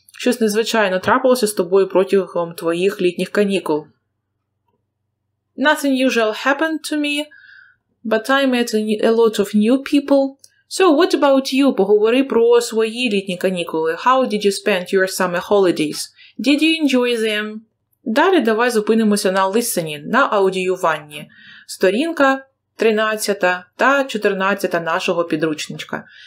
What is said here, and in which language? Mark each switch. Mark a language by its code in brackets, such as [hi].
[uk] Щось незвичайно трапилося з тобою протягом твоїх літніх канікул? [en] Nothing usual happened to me, but I met a lot of new people. So, what about you? [uk] Поговори про свої літні канікули. [en] How did you spend your summer holidays? Did you enjoy them? [uk] Далі давай зупинимося на listening, на аудіюванні. Сторінка 13 та 14 нашого підручничка.